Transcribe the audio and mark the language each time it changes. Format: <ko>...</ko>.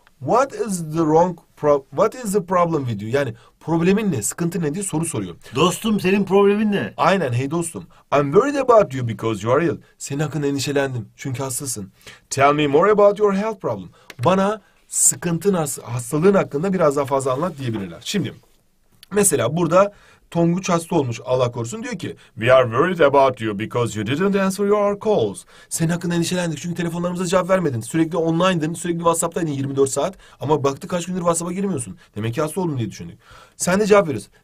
<en>What is the wrong what is the problem with you?</en> <tr>Yani problemin ne? Sıkıntın ne diye soru soruyor. Dostum senin problemin ne? Aynen hey dostum.</tr> <en>I'm worried about you because you are ill.</en> <tr>Senin hakkında endişelendim çünkü hastasın.</tr> <en>Tell me more about your health problem.</en> <tr>Bana sıkıntın hastalığın hakkında biraz daha fazla anlat diyebilirler. Şimdi mesela burada Tonguç hasta olmuş Allah korusun diyor ki</tr> <en>We are worried about you because you didn't answer your calls.</en> <tr>Senin hakkında endişelendik çünkü telefonlarımıza cevap vermedin. Sürekli online'dın, sürekli WhatsApp'taydın 24 saat. Ama baktık kaç gündür WhatsApp'a girmiyorsun. Demek ki hasta oldun diye düşündük. Sen de cevap veriyorsun.</tr>